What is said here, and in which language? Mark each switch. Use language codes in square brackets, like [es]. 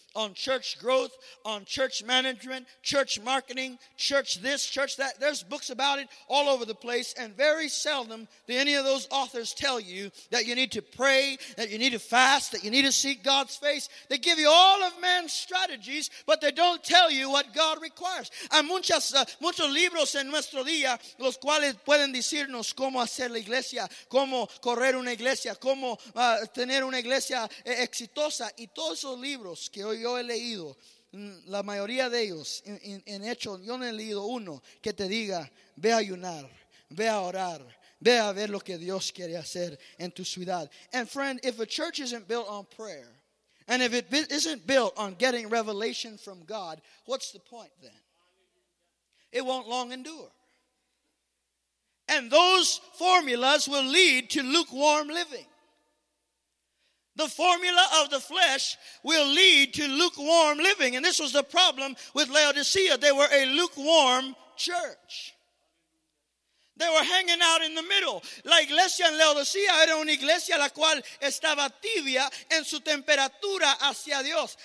[en] On church growth, on church management, church marketing, church this, church that. There's books about it all over the place, and very seldom do any of those authors tell you that you need to pray, that you need to fast, that you need to seek God's face. They give you all of man's strategies, but they don't tell you what God requires. [es] Hay muchos libros en nuestro día los cuales pueden decirnos cómo hacer la iglesia, cómo correr una iglesia, cómo tener una iglesia exitosa, y todos esos libros que yo he leído, la mayoría de ellos, en hecho, yo no he leído uno que te diga, ve a ayunar, ve a orar, ve a ver lo que Dios quiere hacer en tu ciudad. [en] And friend, if a church isn't built on prayer, and if it isn't built on getting revelation from God, what's the point then? It won't long endure. And those formulas will lead to lukewarm living. The formula of the flesh will lead to lukewarm living. And this was the problem with Laodicea. They were a lukewarm church. They were hanging out in the middle. [es] La iglesia en Laodicea era una iglesia la cual estaba tibia en su temperatura hacia Dios.